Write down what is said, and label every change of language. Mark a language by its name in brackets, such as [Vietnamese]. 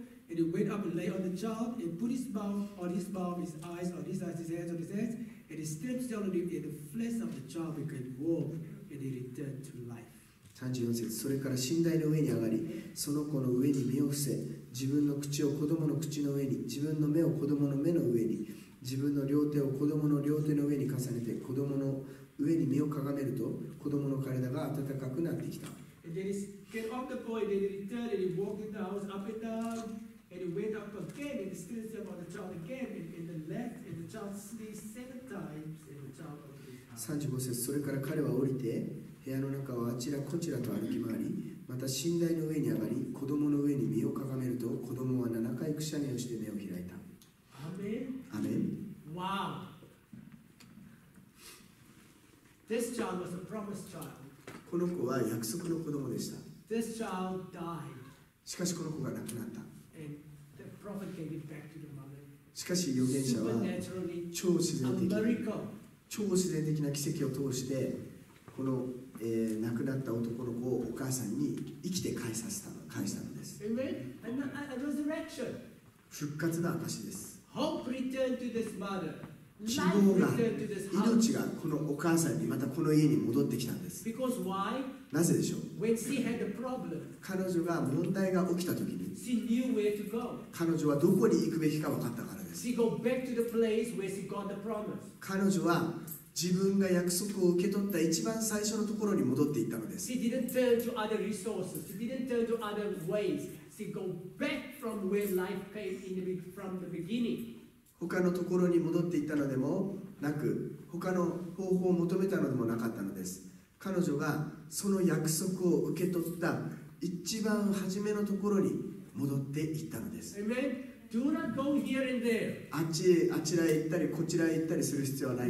[English] And he went up and lay on the child and put his mouth on his mouth, his eyes on his eyes, his hands on his hands, and he stepped down on him and the flesh of the child became warm and he returned to life. [Japanese] 34節、それから寝台の上に上がり、その子の上に身を伏せ、自分の口を子供の口の上に、自分の目を子供の目の上に、自分の両手を子供の両手の上に重ねて子供の上に身をかがめると子供の体が温かくなってきた。 35節、それから彼は降りて部屋の中をあちらこちらと歩き回り、また寝台の上に上がり子供の上に身をかがめると子供は7回くしゃみをして目を開いた。アメン。アメン。わあ。 [English] This child was a promised child. [Japanese] この子は約束の子供でした。 [English] This child died. [Japanese] しかしこの子が亡くなった。 [English] And the prophet gave it back to the mother. [Japanese] しかし預言者は超自然的、超自然的な奇跡を通してこの、亡くなった男の子をお母さんに生きて返させた、返したのです。 [English] Amen. A resurrection. [Japanese] 復活の証です。 [English] Hope returned to this mother. [Japanese] 希望が、命がこのお母さんにまたこの家に戻ってきたんです。 [English] Because why? [Japanese] なぜでしょう。 [English] When she had a problem. [Japanese] 彼女が問題が起きた時に、 [English] she knew where to go. [Japanese] 彼女はどこに行くべきか分かったからです。 [English] She go back to the place where she got the promise. [Japanese] 彼女は自分が約束を受け取った一番最初のところに戻っていったのです。 [English] She didn't turn to other resources. She didn't turn to other ways. She go back from where life came in from the beginning. [Japanese] 他のところに戻っていったのでもなく、他の方法を求めたのでもなかったのです。彼女がその約束を受け取った一番初めのところに戻っていったのです。 [English] Amen. Do not go here and there. [Japanese] あっちへ、あちらへ行ったり、こちらへ行ったりする必要はない